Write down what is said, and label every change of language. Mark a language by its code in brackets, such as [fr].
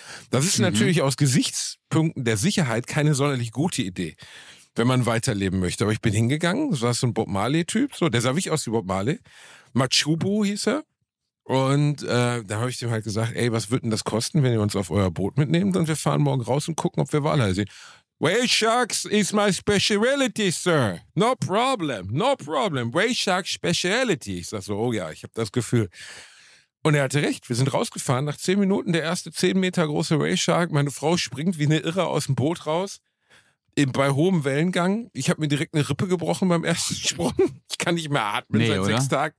[de] Das ist natürlich aus Gesichtspunkten der Sicherheit keine sonderlich gute Idee, wenn man weiterleben möchte. Aber ich bin hingegangen, das war so ein Bob Marley-Typ, so, der sah wirklich aus wie Bob Marley. Machubu hieß er. Und da habe ich dem halt gesagt, ey, was wird denn das kosten, wenn ihr uns auf euer Boot mitnehmt und wir fahren morgen raus und gucken, ob wir Walhaie sehen. [en] Whale sharks is my speciality, sir. No problem. Whale shark speciality. [de] Ich sag so, oh ja, ich habe das Gefühl. Und er hatte recht, wir sind rausgefahren. Nach 10 Minuten der erste 10 Meter große Whale shark. Meine Frau springt wie eine Irre aus dem Boot raus. Bei hohem Wellengang. Ich habe mir direkt eine Rippe gebrochen beim ersten Sprung. Ich kann nicht mehr atmen seit 6 Tagen.